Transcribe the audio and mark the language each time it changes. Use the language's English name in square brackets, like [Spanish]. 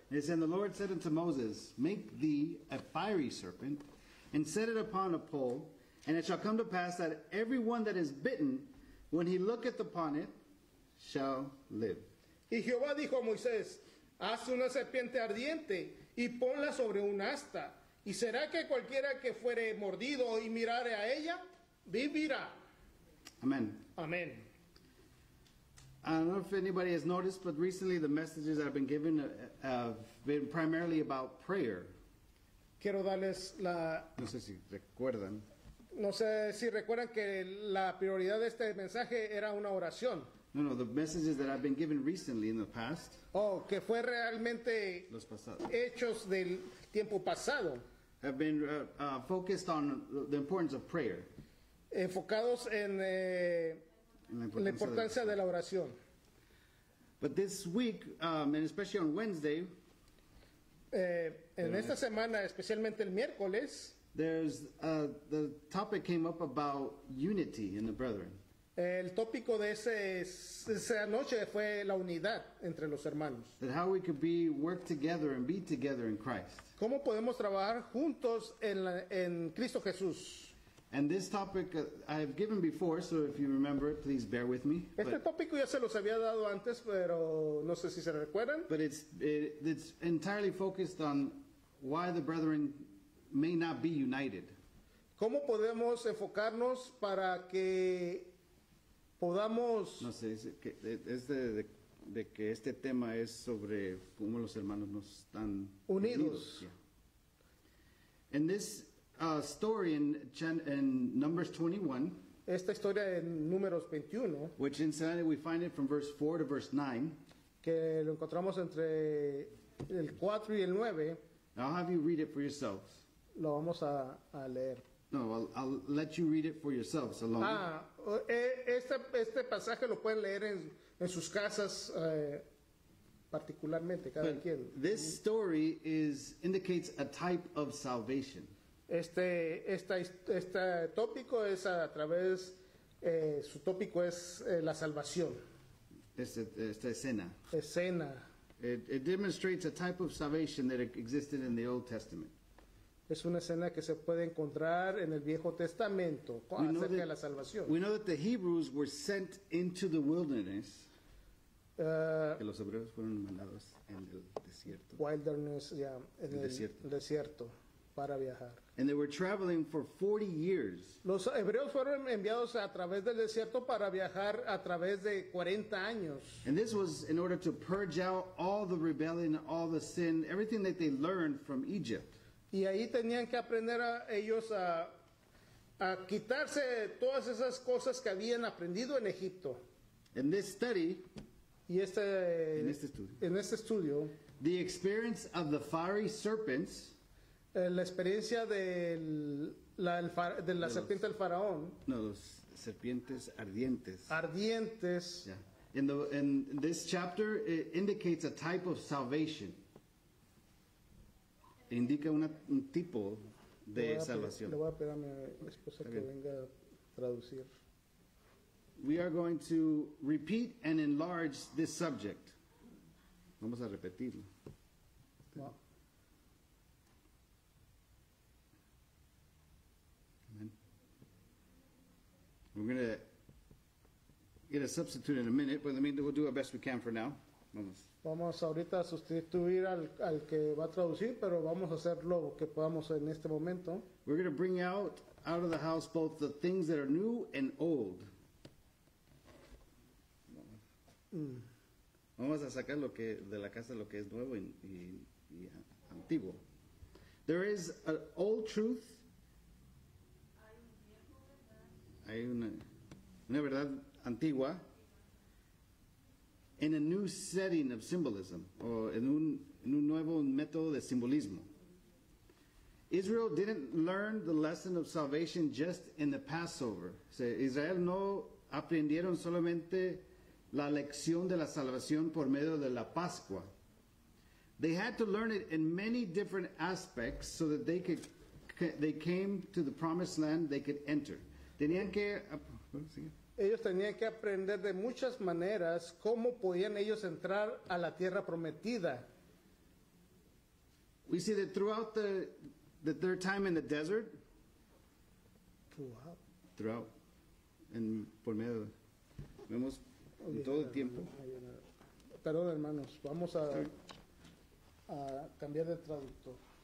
[English] It says, and the Lord said unto Moses, make thee a fiery serpent, and set it upon a pole, and it shall come to pass that every one that is bitten, when he looketh upon it, shall live. [Spanish] Y Jehová dijo a Moisés, haz una serpiente ardiente, y ponla sobre un asta, y será que cualquiera que fuere mordido y mirare a ella, vivirá. [English] Amen. Amen. I don't know if anybody has noticed, but recently the messages that have been given have been primarily about prayer. [Spanish] Quiero darles la... No sé si recuerdan. No sé si recuerdan que la prioridad de este mensaje era una oración. [English] No, no, the messages that have been given recently in the past. [Spanish] Oh, que fue realmente... Los pasados. Hechos del tiempo pasado. [English] Have been focused on the importance of prayer. [Spanish] Enfocados en... La importancia de la oración. [English] But this week, and especially on Wednesday, [Spanish] en esta semana, especialmente el miércoles, [English] there's the topic came up about unity in the brethren. [Spanish] El tópico de esa noche fue la unidad entre los hermanos. [English] That how we could be work together and be together in Christ. [Spanish] ¿Cómo podemos trabajar juntos en Cristo Jesús? [English] And this topic I've given before, so if you remember it, please bear with me. [Spanish] Este tópico ya se los había dado antes, pero no sé si se recuerdan. [English] But it's entirely focused on why the brethren may not be united. [Spanish] ¿Cómo podemos enfocarnos para que podamos... No sé, es que es de de que este tema es sobre cómo los hermanos nos están unidos. En esta historia en Numbers 21, esta historia en Números 21, [English] which incidentally we find it from verse 4 to verse 9, [Spanish] que lo encontramos entre el 4 y el 9, [English] I'll have you read it for yourselves. [Spanish] Lo vamos a leer. [English] No, I'll let you read it for yourselves alone. [Spanish] Este pasaje lo pueden leer en sus casas particularmente, cada [English] But [Spanish] quien. [English] This story indicates a type of salvation. [Spanish] Este tópico es a través, su tópico es la salvación. Esta escena. Escena. [English] It demonstrates a type of salvation that existed in the Old Testament. [Spanish] Es una escena que se puede encontrar en el Viejo Testamento acerca de la salvación. [English] We know that the Hebrews were sent into the wilderness. [Spanish] Que los hebreos fueron mandados en el desierto. [English] Wilderness, yeah, [Spanish] en el desierto. El desierto para viajar. [English] And they were traveling for 40 years. [Spanish] Los hebreos fueron enviados a través del desierto para viajar a través de 40 años. [English] And this was in order to purge out all the rebellion, all the sin, everything that they learned from Egypt. [Spanish] Y ahí tenían que aprender a ellos a quitarse todas esas cosas que habían aprendido en Egipto. [English] In this study, [Spanish] en este estudio, [English] the experience of the fiery serpents, [Spanish] la experiencia de la serpiente del faraón, no, los serpientes ardientes. Ardientes. [English] Yeah. In this chapter, it indicates a type of salvation. [Spanish] Indica un tipo de salvación. Le voy a pedir a mi esposa que venga a traducir. [English] We are going to repeat and enlarge this subject. [Spanish] Vamos a repetirlo. [English] Wow. Amen. We're going to get a substitute in a minute, but in the meantime, we'll do our best we can for now. [Spanish] Vamos ahorita a sustituir al que va a traducir, pero vamos a hacer lo que podamos en este momento. [English] We're going to bring out of the house both the things that are new and old. [Spanish] Vamos a sacar lo que de la casa lo que es nuevo y antiguo. [English] There is an old truth. [Spanish] Hay una verdad antigua. [English] In a new setting of symbolism, or in [Spanish] un nuevo método de simbolismo. [English] Israel didn't learn the lesson of salvation just in the Passover. [Spanish] Israel no aprendieron solamente la lección de la salvación por medio de la Pascua. [English] They had to learn it in many different aspects so that they came to the promised land they could enter. [Spanish] Ellos tenían que aprender de muchas maneras cómo podían ellos entrar a la tierra prometida. [English] We see that throughout the their time in the desert. Throughout. [Spanish] En por medio. Vemos en todo el tiempo. Perdón, hermanos. Vamos a cambiar de traductor.